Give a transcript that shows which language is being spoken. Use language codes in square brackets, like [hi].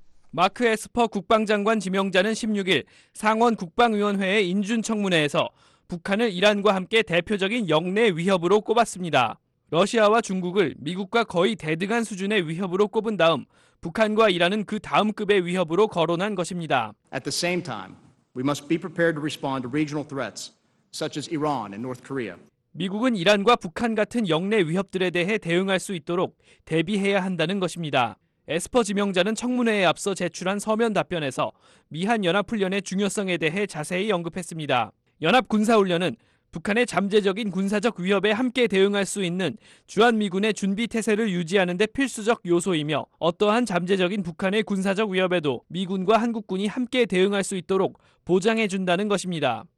[ko] 마크 에스퍼 국방장관 지명자는 16일 상원 국방위원회의 인준청문회에서 북한을 이란과 함께 대표적인 역내 위협으로 꼽았습니다. 러시아와 중국을 미국과 거의 대등한 수준의 위협으로 꼽은 다음 북한과 이란은 그 다음 급의 위협으로 거론한 것입니다. [en] At the same time, we must be prepared to respond to regional threats such as Iran and North Korea. [ko] 미국은 이란과 북한 같은 역내 위협들에 대해 대응할 수 있도록 대비해야 한다는 것입니다. 에스퍼 지명자는 청문회에 앞서 제출한 서면 답변에서 미한 연합훈련의 중요성에 대해 자세히 언급했습니다. 연합군사훈련은 북한의 잠재적인 군사적 위협에 함께 대응할 수 있는 주한미군의 준비태세를 유지하는 데 필수적 요소이며 어떠한 잠재적인 북한의 군사적 위협에도 미군과 한국군이 함께 대응할 수 있도록 보장해준다는 것입니다.